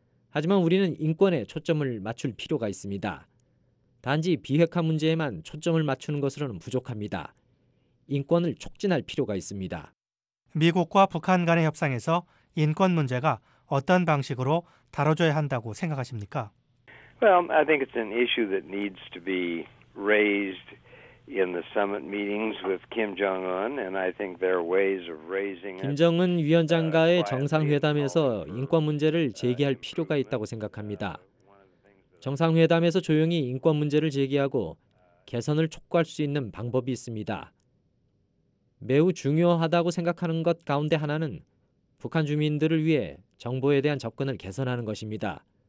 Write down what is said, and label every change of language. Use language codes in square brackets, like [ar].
[ko] 하지만 우리는 인권에 초점을 맞출 필요가 있습니다. 단지 비핵화 문제에만 초점을 맞추는 것으로는 부족합니다. 인권을 촉진할 필요가 있습니다. 미국과 북한 간의 협상에서 인권 문제가 어떤 방식으로 다뤄져야 한다고 생각하십니까? [en] Well, I think it's an issue that needs to be raised in the summit meetings with Kim Jong-un, and I think there are ways of raising it. [ko] 김정은 위원장과의 정상회담에서 인권 문제를 제기할 필요가 있다고 생각합니다. 정상회담에서 조용히 인권 문제를 제기하고 개선을 촉구할 수 있는 방법이 있습니다. 매우 중요하다고 생각하는 것 가운데 하나는 북한 주민들을 위해 정보에 대한 접근을 개선하는 것입니다.